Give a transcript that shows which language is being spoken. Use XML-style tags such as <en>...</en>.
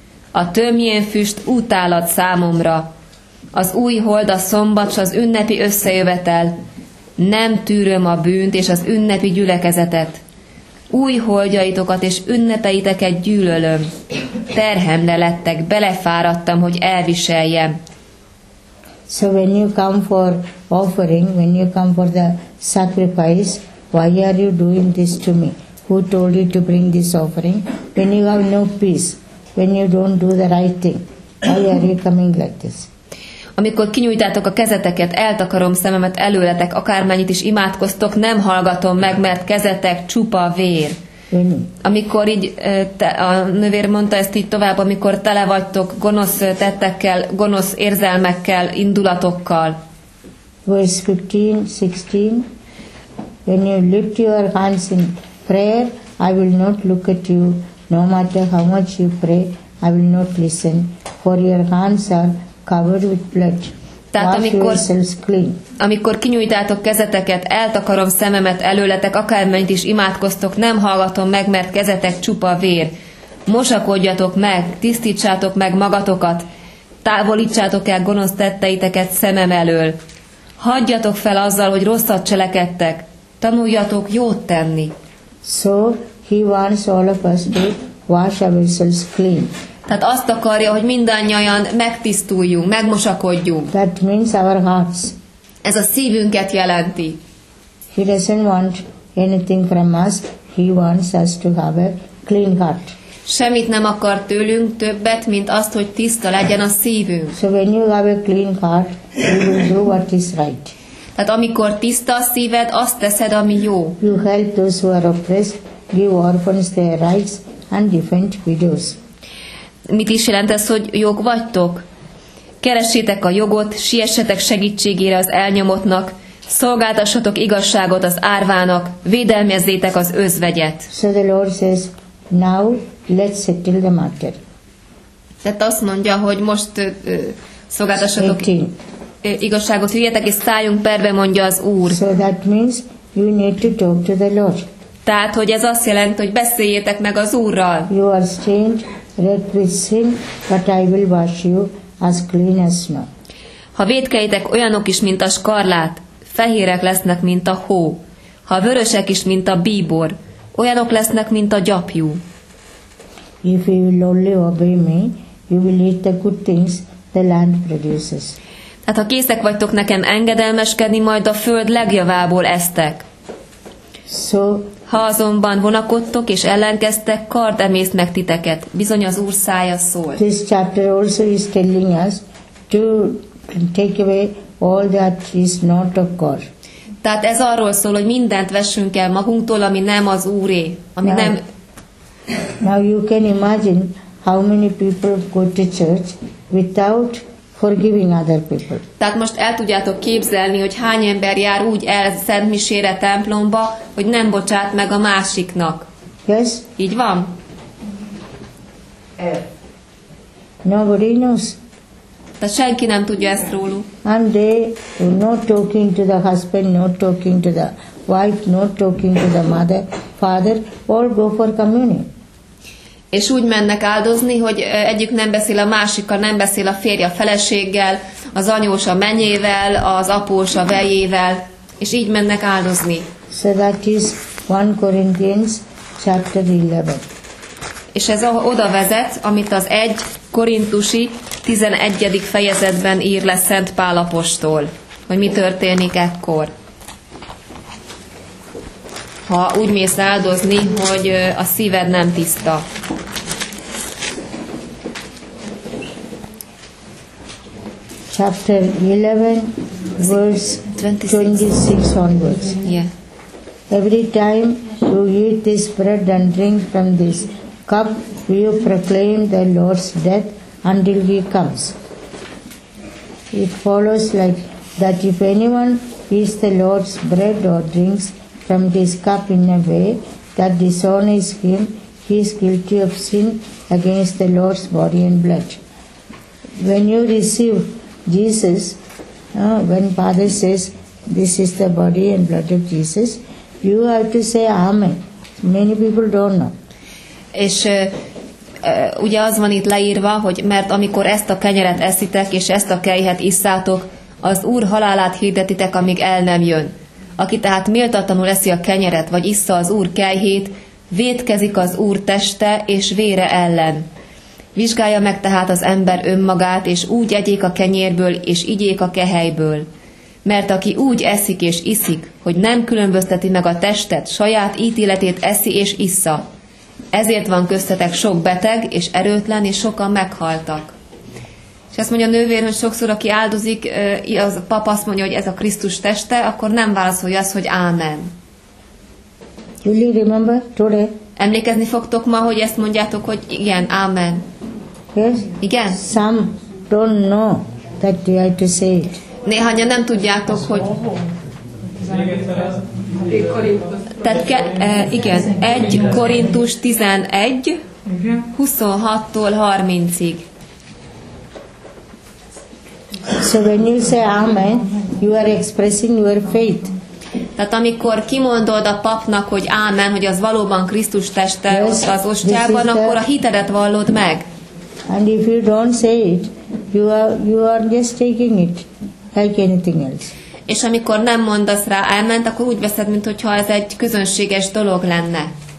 <hu>A tömjén füst utálat számomra. Az új hold, a szombat s az ünnepi összejövetel. Nem tűröm a bűnt és az ünnepi gyülekezetet. Új holdjaitokat és ünnepeiteket gyűlölöm. Terhemre lettek, belefáradtam, hogy elviseljem.</hu> <en>So when you come for offering, when you come for the sacrifice, why are you doing this to me? Who told you to bring this offering? When you have no peace, when you don't do the right thing, why are you coming like this?</en> <hu>Amikor kinyújtátok a kezeteket, eltakarom szememet előletek, akármennyit is imádkoztok, nem hallgatom meg, mert kezetek csupa vér. Amikor így, a nővér mondta ezt így tovább, amikor tele vagytok gonosz tettekkel, gonosz érzelmekkel, indulatokkal.</hu> <en>Verse 15-16, when you lift your hands in prayer, I will not look at you, no matter how much you pray, I will not listen, for your hands are covered with blood.</en> <hu>Tehát amikor kinyújtátok kezeteket, eltakarom szememet előletek, akármennyit is imádkoztok, nem hallgatom meg, mert kezetek csupa vér. Mosakodjatok meg, tisztítsátok meg magatokat, távolítsátok el gonosz tetteiteket szemem elől. Hagyjatok fel azzal, hogy rosszat cselekedtek, tanuljatok jót tenni.</hu> <en>So he wants all of us to wash ourselves clean.</en> <hu>Tehát azt akarja, hogy mindannyian megtisztuljunk, megmosakodjunk.</hu> <en>That means our hearts.</en> <hu>Ez a szívünket jelenti.</hu> <en>He doesn't want anything from us. He wants us to have a clean heart.</en> <hu>Semmit nem akar tőlünk többet, mint azt, hogy tiszta legyen a szívünk.</hu> <en>So when you have a clean heart, you will do what is right.</en> <hu>Tehát amikor tiszta a szíved, azt teszed, ami jó.</hu> <en>You help those who are oppressed, give orphans their rights, and defend widows.</en> <hu>Mit is jelent ez, hogy jog vagytok? Keressétek a jogot, siessetek segítségére az elnyomottnak, szolgáltassatok igazságot az árvának, védelmezzétek az özvegyet.</hu> <en>So the Lord says, now let's settle the matter.</en> <hu>Tehát azt mondja, hogy most szolgáltassatok igazságot, hülyetek és szálljunk perbe, mondja az Úr.</hu> <en>So that means you need to talk to the Lord.</en> <hu>Tehát, hogy ez azt jelent, hogy beszéljétek meg az Úrral.</hu> <en>You are strange. Red with sin, but I will wash you as clean as snow.</en> <hu>Ha vétkeitek olyanok is, mint a skarlát, fehérek lesznek, mint a hó. Ha vörösek is, mint a bíbor, olyanok lesznek, mint a gyapjú.</hu> <en>If you will only obey me, you will eat the good things the land produces.</en> <hu>Tehát ha készek vagytok nekem engedelmeskedni, majd a föld legjavából esztek.</hu> <en>So,</en> <hu>ha azonban vonakodtok és ellenkeztek, kard emészt meg titeket. Bizony az Úr szája szól.</hu> <en>This chapter also is telling us to take away all that is not of God.</en> <hu>Tehát ez arról szól, hogy mindent vessünk el magunktól, ami nem az Úré, ami now, nem.</hu> <en>Now you can imagine how many people go to church without forgiving other people.</en> <hu>Tehát most el tudjátok képzelni, hogy hány ember jár úgy el szentmisére, templomba, hogy nem bocsát meg a másiknak.</hu> <en>Yes?</en> <hu>Így van?</hu> <en>Nobody knows.</en> <hu>Tehát senki nem tudja ezt róluk.</hu> <en>And they not talking to the husband, not talking to the wife, not talking to the mother, father, all go for communion.</en> <hu>És úgy mennek áldozni, hogy egyik nem beszél a másikkal, nem beszél a férje a feleséggel, az anyós a menyével, az após a vejével, és így mennek áldozni.</hu> <en>So that is 1 Corinthians chapter 11.</en> <hu>És ez oda vezet, amit az 1 Korintusi 11. fejezetben ír le Szent Pál apostol, hogy mi történik ekkor. Ha úgy mész áldozni, hogy a szíved nem tiszta.</hu> <en>Chapter 11, verse 26 onwards. Yeah. Every time you eat this bread and drink from this cup, you proclaim the Lord's death until he comes. It follows like that if anyone eats the Lord's bread or drinks from this cup in a way that dishonors him, he is guilty of sin against the Lord's body and blood. When you receive Jesus, when Father says, this is the body and blood of Jesus, you have to say Amen. Many people don't know.</en> <hu>És ugye az van itt leírva, hogy mert amikor ezt a kenyeret eszitek, és ezt a kelyhet isszátok, az Úr halálát hirdetitek, amíg el nem jön. Aki tehát méltatlanul eszi a kenyeret, vagy issza az Úr kelyhét, vétkezik az Úr teste és vére ellen. Vizsgálja meg tehát az ember önmagát, és úgy egyék a kenyérből, és igyék a kehelyből. Mert aki úgy eszik és iszik, hogy nem különbözteti meg a testet, saját ítéletét eszi és issza. Ezért van köztetek sok beteg és erőtlen, és sokan meghaltak. És ezt mondja a nővér, hogy sokszor aki áldozik, az a pap azt mondja, hogy ez a Krisztus teste, akkor nem válaszolja azt, hogy Ámen.</hu> <en>Julie, remember today?</en> <hu>Emlékezni fogtok ma, hogy ezt mondjátok, hogy igen, Ámen.</hu> <en>Yes?</en> <hu>Igen?</hu> <en>Some don't know that you have to say it.</en> <hu>Néhányan nem tudjátok, hogy... Tehát igen, 1 Korintus 11, 26-tól 30-ig.</hu> <en>So when you say Amen, you are expressing your faith.</en> <hu>Tehát amikor kimondod a papnak, hogy Amen, hogy az valóban Krisztus teste ott az ostyában, akkor a hitedet vallod meg.</hu> <en>And if you don't say it, you are just taking it like anything else.</en> <hu>És amikor nem mondasz rá Amen, akkor úgy veszed, mintha ez egy közönséges dolog lenne.</hu>